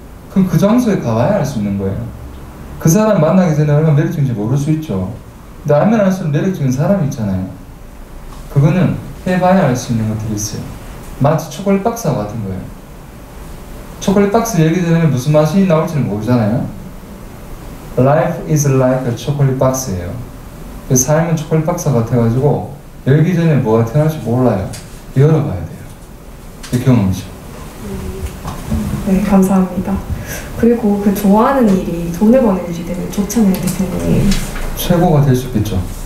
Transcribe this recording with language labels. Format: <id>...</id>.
<ko>그럼 그 장소에 가봐야 알 수 있는 거예요. 그 사람 만나기 전에 얼마나 매력적인지 모를 수 있죠. 근데 알면 알수록 매력적인 사람이 있잖아요. 그거는 해봐야 알 수 있는 것들이 있어요. 마치 초콜릿 박스와 같은 거예요. 초콜릿 박스 얘기 전에 무슨 맛이 나올지는 모르잖아요.</ko> <en>Life is like a chocolate box예요.</en> <ko>삶은 초콜릿 박스와 같아가지고 열기 전에 뭐가 태어날지 몰라요. 열어봐야 돼요. 이 경험이죠. 네, 감사합니다. 그리고 그 좋아하는 일이 돈을 버는 일이 되면 좋잖아요, 대표님. 최고가 될 수 있겠죠.</ko>